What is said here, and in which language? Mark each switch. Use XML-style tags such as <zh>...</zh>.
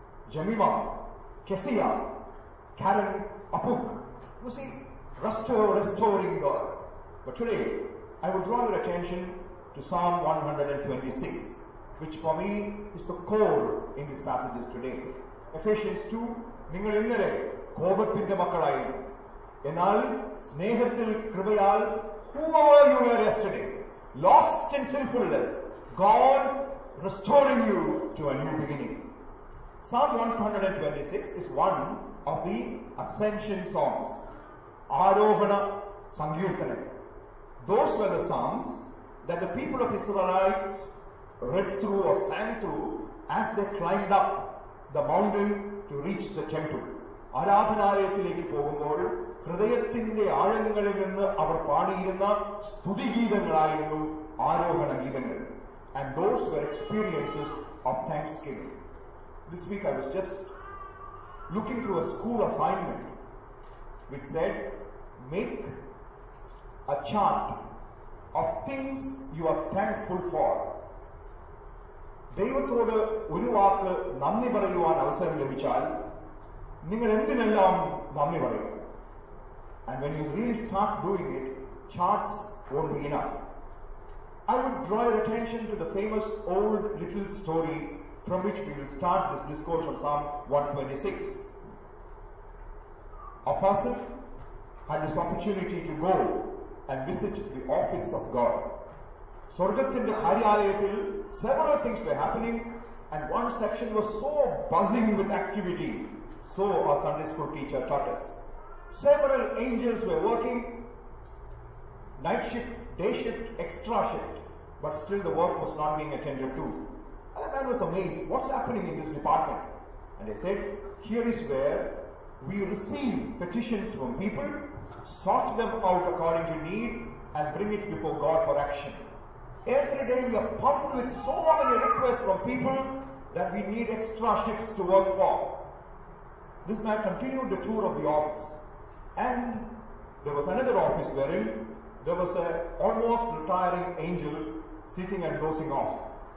<en>Jemima, Kesia, Karen, Apuk. You see, restoring God. But today, I would draw your attention to Psalm 126, which for me is the core in these passages today. Ephesians 2,</en> <ml>നിങ്ങൾ ഇന്നലെ കോപത്തിന്റെ മക്കളായി, എന്നാൽ സ്നേഹത്തിൽ കൃപയാൽ,</ml> <en>whoever you were yesterday, lost in sinfulness, God restoring you to a new beginning. Psalm 126 is one of the ascension songs.</en> <ml>ആരോഹണ സങ്കീർത്തനം.</ml> <en>Those were the psalms that the people of Israelites read through or sang through as they climbed up the mountain to reach the temple.</en> <ml>ആരാധനാലയത്തിലേക്ക് പോകുമ്പോൾ ഹൃദയത്തിന്റെ ആഴങ്ങളിൽ നിന്ന് അവർ പാടിയിരുന്ന സ്തുതിഗീതങ്ങളായിരുന്നു ആരോഹണ ഗീതങ്ങൾ.</ml> <en>And those were experiences of thanksgiving. This week I was just looking through a school assignment which said, make a chart of things you are thankful for.</en> <ml>ദൈവത്തോട് ഒരു വാക്ക് നന്ദി പറയുവാൻ അവസരം ലഭിച്ചാൽ നിങ്ങൾ എന്തിനെല്ലാം നന്ദി പറയും?</ml> <en>And when you really start doing it, charts won't be enough. I would draw your attention to the famous old little story from which we will start this discourse on Psalm 126. A person had this opportunity to go and visit the office of God.</en> <ml>സ്വർഗത്തിന്റെ കാര്യാലയത്തിൽ</ml> <en>Several things were happening and one section was so buzzing with activity so a Sunday school teacher taught us several angels were working night shift day shift extra shift but still the work was not being attended to and I was amazed what's happening in this department and I said here is where we receive petitions from people sort them out according to need and bring it before God for action. Every day we are pumped with so many requests from people that we need extra shifts to work for. This man continued the tour of the office. And there was another office wherein there was an almost retiring angel sitting and dozing off.</en>